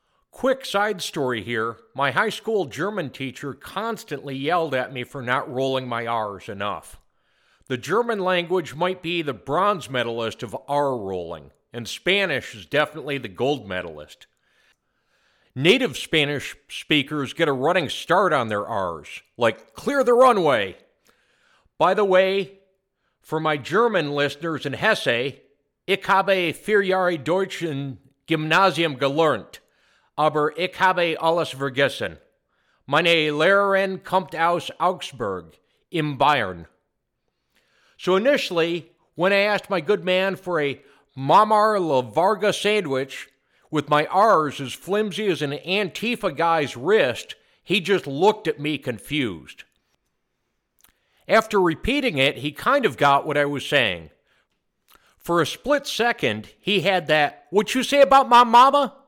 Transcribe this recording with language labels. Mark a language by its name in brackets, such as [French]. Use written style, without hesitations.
[English] Quick side story here. My high school German teacher constantly yelled at me for not rolling my R's enough. The German language might be the bronze medalist of R rolling, and Spanish is definitely the gold medalist. Native Spanish speakers get a running start on their R's, like clear the runway. By the way, for my German listeners in Hesse, [German] ich habe 4 Jahre Deutsch im Gymnasium gelernt, aber ich habe alles vergessen. Meine Lehrerin kommt aus Augsburg, im Bayern. [English] So initially, when I asked my good man for a Marmar La Varga sandwich with my R's as flimsy as an Antifa guy's wrist, he just looked at me confused. After repeating it, he kind of got what I was saying. For a split second, he had that, "What you say about my mama?"